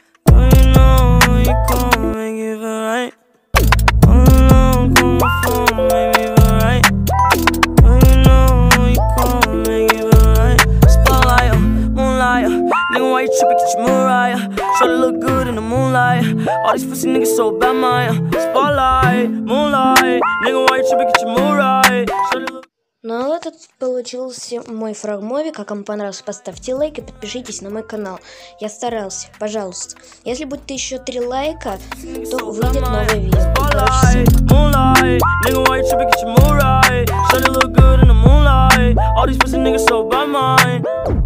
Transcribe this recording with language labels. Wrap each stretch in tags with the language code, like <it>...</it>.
<en>Don't you know you come make it right. I don't know I'm coming for make it right. Don't you know you come make it right. Spotlight, moonlight. Nigga, why you tripping? Get your mood right. Shawty look good in the moonlight. All these pussy niggas so bad, my spotlight, moonlight. Nigga, why you tripping? Get your mood right.</en> <ru>Ну а вот этот получился мой фрагмовик. А кому понравилось, поставьте лайк и подпишитесь на мой канал. Я старался, пожалуйста. Если будет еще 3 лайка, то выйдет новое видео.</ru> <en>Spotlight, moonlight. Nigga, why you tripping? Get your mood right. Shawty look good in the moonlight. All these pussy niggas so bad, my</en>